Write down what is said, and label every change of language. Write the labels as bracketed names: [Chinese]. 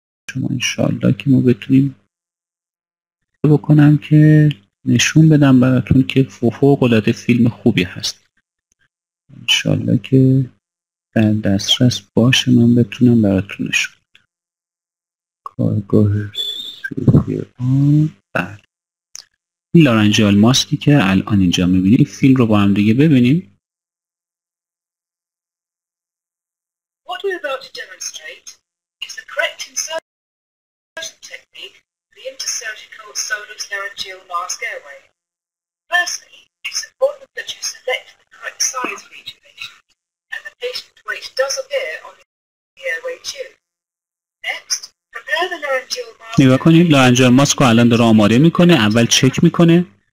[Persian] شما انشالله که ما بتونیم بکنم که نشون بدم براتون که فوق العاده فیلم خوبی هست. انشالله که در دسترس باشه من بتونم براتون نشون بدم. کارگاه CPR. بله. این لارنج آلماسی که الان اینجا میبینید، فیلم رو با هم دیگه ببینیم. [English] What we're about to demonstrate is the correct insertion technique for the intersurgical solar laryngeal mask airway. Firstly, it's important that you select the correct size for each patient and the patient's weight does appear on the airway tube. Next, prepare the laryngeal mask. [Persian] نگاه کنید، لارنجال ماسک رو الان داره آماده میکنه. اول چک میکنه.